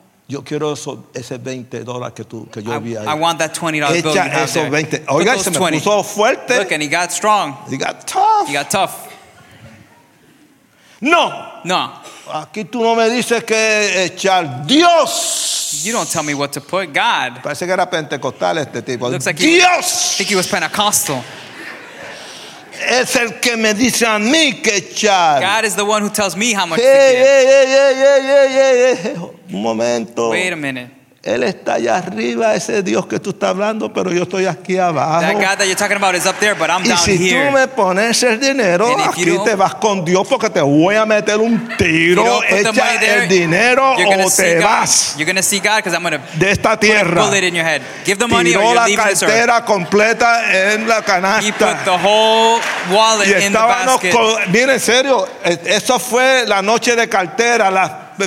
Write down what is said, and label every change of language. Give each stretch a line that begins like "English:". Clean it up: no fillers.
Spanish: Yo quiero ese $20 que yo vi ahí.
English: I want that $20 bill.
Spanish: Echa esos 20. Oiga, se me puso fuerte.
English: Look, and he got strong. He got tough. He got tough. No. No.
Spanish: Aquí tú no me dices que echar Dios.
English: You don't tell me what to put. God.
Spanish: Parece que era pentecostal este tipo.
English: Looks like
Spanish: Dios.
English: I think he was Pentecostal.
Spanish: Es el que me dice a mí que echar.
English: God is the one who tells me how much hey, to give.
Spanish: Hey. Un momento.
English: Wait a minute.
Spanish: Él está allá arriba, ese Dios que tú estás hablando, pero yo estoy aquí abajo.
English: That God that you're talking about is up there, but I'm down here.
Spanish: Y si tú me pones el dinero, aquí te vas con Dios porque te voy a meter un tiro. Echa el dinero o te vas.
English: You're going to see God because I'm going to
Spanish: de esta tierra.
English: Put a bullet in your head. Give the money or you leave this earth.
Spanish: Tiró la cartera completa en la canasta.
English: He put the whole wallet in the basket.
Spanish: Mira, en serio, eso fue la noche de cartera, la